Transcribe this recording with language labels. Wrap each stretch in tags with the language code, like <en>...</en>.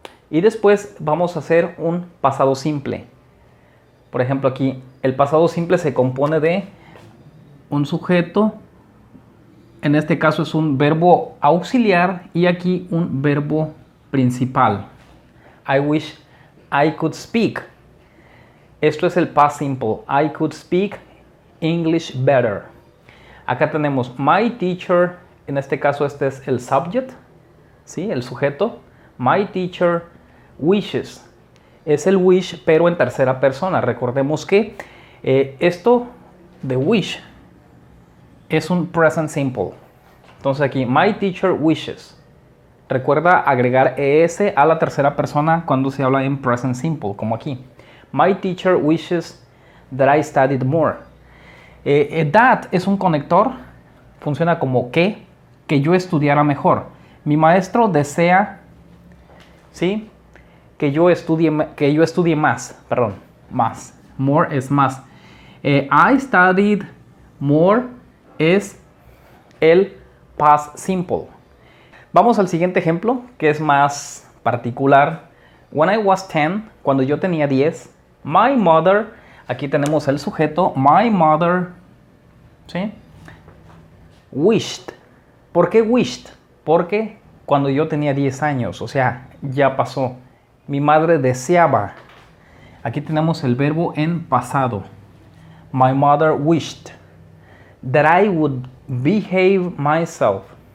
<es>Y después vamos a hacer un pasado simple. Por ejemplo aquí, el pasado simple se compone de un sujeto. En este caso es un verbo auxiliar y aquí un verbo principal.</es> <en>I wish I could speak.</en> <es>Esto es el past simple.</es> <en>I could speak English better.</en> <es>Acá tenemos my teacher. En este caso este es el subject. ¿Sí? El sujeto.</es> <en>My teacher wishes.</en> <es>Es el wish, pero en tercera persona. Recordemos que esto de wish es un present simple. Entonces aquí,</es> <en>my teacher wishes.</en> <es>Recuerda agregar es a la tercera persona cuando se habla en present simple, como aquí.</es> <en>My teacher wishes that I studied more.</en> <es>That es un conector, funciona como que yo estudiara mejor. Mi maestro desea, ¿sí?, que yo estudie más. More es más.</es> <en>I studied more</en> <es>es el past simple. Vamos al siguiente ejemplo, que es más particular.</es> <en>When I was 10,</en> <es>cuando yo tenía 10, my mother, aquí tenemos el sujeto, my mother, ¿sí?, wished. ¿Por qué wished? Porque cuando yo tenía 10 años, o sea, ya pasó. Mi madre deseaba. Aquí tenemos el verbo en pasado.</es> <en>My mother wished that I would behave myself.</en>